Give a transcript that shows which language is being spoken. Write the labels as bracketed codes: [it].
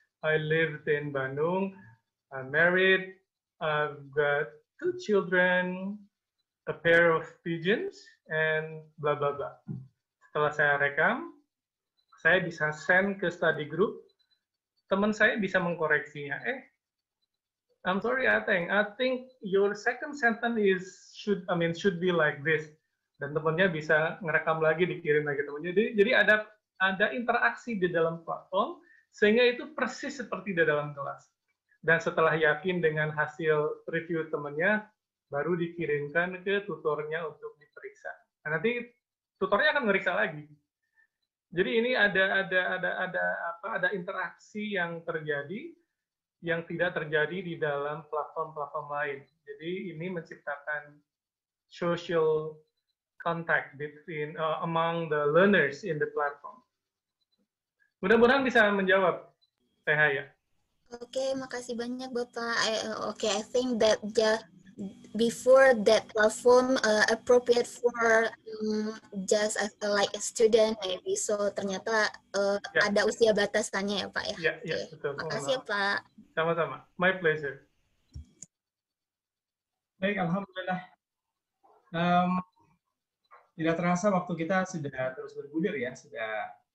[en] I lived in Bandung. I'm married. I've got two children, a pair of pigeons, and blah, blah, blah. [id] Setelah saya rekam, saya bisa send ke study group. Teman saya bisa mengkoreksinya. [en] I'm sorry, Ateng. I think your second sentence should be like this. [id] Dan temennya bisa ngerekam lagi, dikirim lagi temennya. Jadi ada interaksi di dalam platform, sehingga itu persis seperti di dalam kelas. Dan setelah yakin dengan hasil review temennya, baru dikirimkan ke tutornya untuk diperiksa. Nah, nanti tutornya akan ngeriksa lagi. Jadi ini ada interaksi yang terjadi, yang tidak terjadi di dalam platform-platform lain. Jadi ini menciptakan [en] social contact between among the learners in the platform. [id] Mudah-mudahan bisa menjawab, Teh Haya. Okay, makasih banyak Bapak. [en] I think that just before that platform appropriate for just as like a student maybe. [id] So ternyata ada usia batasannya ya Pak ya. [en] Yeah, okay. Yeah, betul. [id] Makasih ya Pak. Sama-sama. [en] My pleasure. [id] Baik, alhamdulillah. Tidak terasa waktu kita sudah terus bergulir ya, sudah